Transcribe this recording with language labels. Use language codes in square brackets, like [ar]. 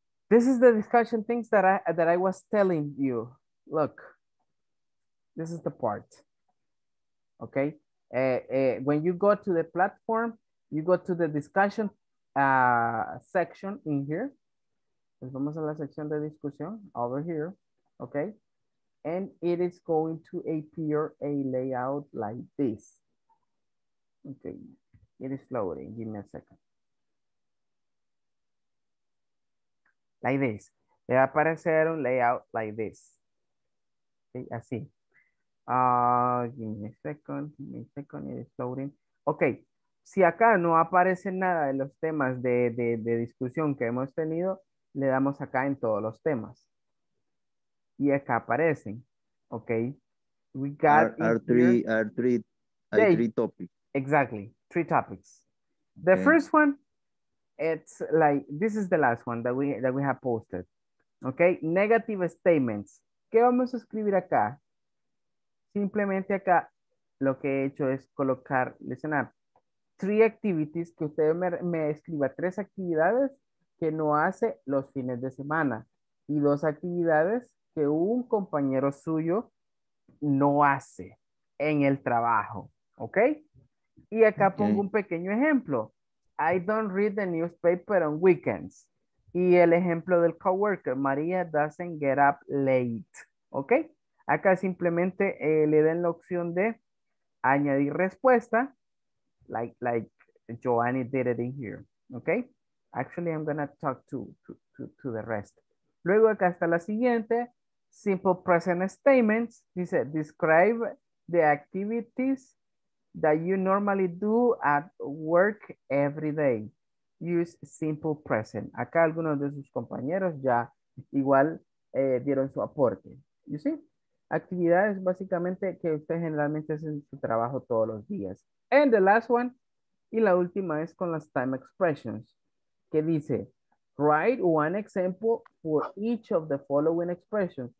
[en] This is the discussion things that I was telling you. Look, this is the part. Okay. When you go to the platform, you go to the discussion section in here. [es] Vamos a la sección de discusión, [en] over here, [es] okay? [en] And it is going to appear a layout like this. Okay, it is loading, give me a second. Like this. [es] Le va a aparecer un layout [en] like this. [es] Okay, así. [en] Give me a second, it is loading. [es] Okay, si acá no aparece nada de los temas de discusión que hemos tenido, le damos acá en todos los temas. Y acá aparecen. Ok. [en] We got three topics. Exactly. Three topics. Okay. The first one, it's like, this is the last one that we have posted. [es] Ok. Negative statements. ¿Qué vamos a escribir acá? Simplemente acá, lo que he hecho es colocar, [en] listen up, three activities, [es] que usted me escriba tres actividades que no hace los fines de semana y dos actividades que un compañero suyo no hace en el trabajo, ¿ok? Y acá okay. Pongo un pequeño ejemplo. [en] I don't read the newspaper on weekends. [es] Y el ejemplo del coworker, María [en] doesn't get up late, [es] ¿ok? Acá simplemente le den la opción de añadir respuesta, [en] like Joanny did it in here, [es] ¿ok? [en] Actually, I'm going to talk to the rest. [es] Luego, acá está la siguiente. [en] Simple present statements. Dice, describe the activities that you normally do at work every day. Use simple present. [es] Acá algunos de sus compañeros ya igual dieron su aporte. [en] You see? [es] Actividades básicamente que usted generalmente hace en su trabajo todos los días. [en] And the last one. [es] Y la última es con las time expressions. Que dice, [en] write one example for each of the following expressions.